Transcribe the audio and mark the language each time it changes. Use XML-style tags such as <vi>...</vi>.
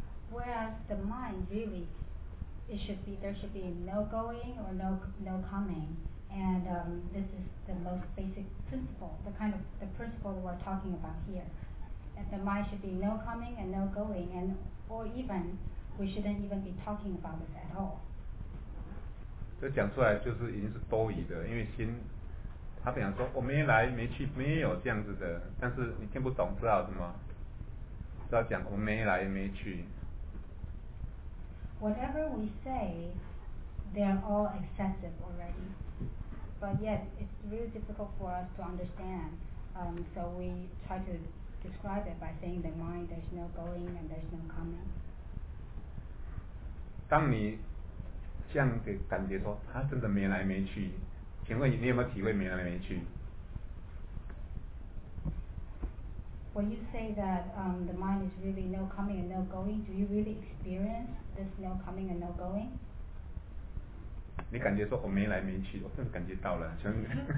<en>Whereas the mind really, it should be, there should be no going or no coming. And this is the most basic principle, the principle we're talking about here. That the mind should be no coming and no going, and or even, we shouldn't even be talking about this at all.</en> <zh>这讲出来就是已经是多余的，因为心，他不想说我没来没去没有这样子的，但是你听不懂，知道什么？知道讲我没来没去。</zh> <en>Whatever we say, they're all excessive already. But yet, it's really difficult for us to understand. So we try to describe it by saying the mind, there's no going and there's no coming.</en> <zh>当你这样的感觉说，他真的没来没去，请问你有没有体会没来没去？</zh> <en>When you say that the mind is really no coming and no going, do you really experience? There's no coming and no going.</en> <zh>你感觉说我没来没去，我真的感觉到了，真的。</zh>